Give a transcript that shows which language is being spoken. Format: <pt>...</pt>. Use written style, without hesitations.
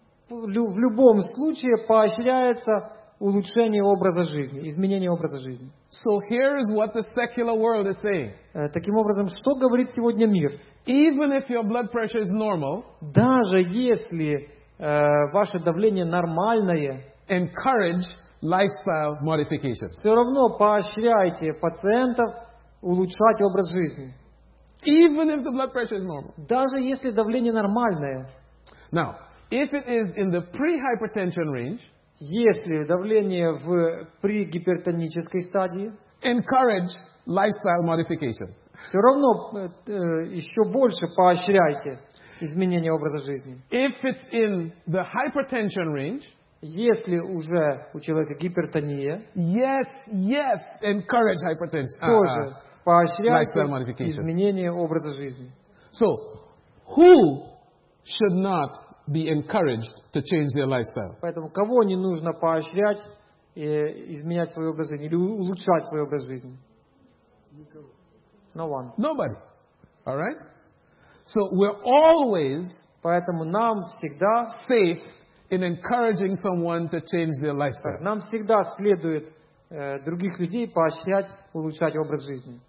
<ru>В любом случае поощряется улучшение образа жизни, изменение образа жизни.</ru> <en>So here is what the secular world is saying.</en> <ru>Таким образом, что говорит сегодня мир?</ru> <en>Even if your blood pressure is normal,</en> <ru>даже если ваше давление нормальное,</ru> <en>encourage lifestyle modifications.</en> <ru>Все равно поощряйте пациентов улучшать образ жизни.</ru> <en>Even if the blood pressure is normal.</en> <ru>Даже если давление нормальное.</ru> <en>Now, if it is in the pre-hypertension range,</en> <ru>если давление в пригипертонической стадии,</ru> <en>encourage lifestyle modification.</en> <ru>Все равно еще больше поощряйте изменение образа жизни.</ru> <en>If it's in the hypertension range,</en> <ru>если уже у человека гипертония,</ru> <en>yes, encourage hypertension.</en> <ru>Тоже поощряйте изменение образа жизни.</ru> <en>So, who should not be encouraged to change their lifestyle?</en> <ru>Поэтому кого не нужно поощрять и изменять свой образ жизни или улучшать свой образ жизни?</ru> <en>No one. Nobody. All right? So we're always,</en> <ru>поэтому нам всегда,</ru> <en>safe in encouraging someone to change their lifestyle.</en> <ru>Нам всегда следует других людей поощрять улучшать образ жизни.</ru>